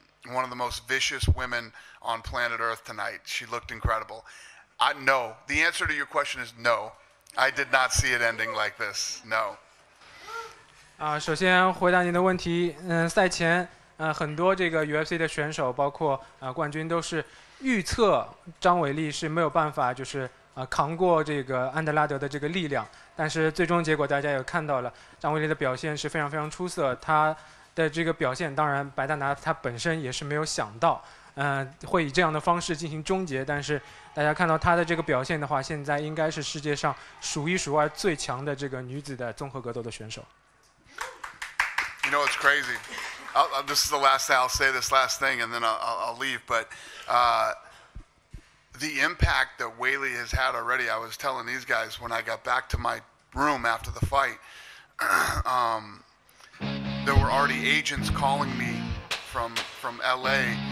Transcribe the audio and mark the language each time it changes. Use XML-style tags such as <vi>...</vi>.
<en>one of the most vicious women on planet Earth tonight. She looked incredible. No. The answer to your question is no. I did not see it ending like this. No.</en> <zh>首先回答您的问题，赛前很多这个 UFC 的选手包括冠军都是预测张伟丽是没有办法就是扛过这个安德拉德的这个力量，但是最终结果大家也看到了张伟丽的表现是非常非常出色，他的这个表现当然白大拿他本身也是没有想到，会以这样的方式进行终结，但是大家看到她的这个表现的话，现在应该是世界上数一数二最强的这个女子的综合格斗的选手。</zh> <en>You know it's crazy. This is the last thing. I'll say this last thing and then I'll leave. But the impact that Weili has had already, I was telling these guys when I got back to my room after the fight, there were already agents calling me from LA.</en>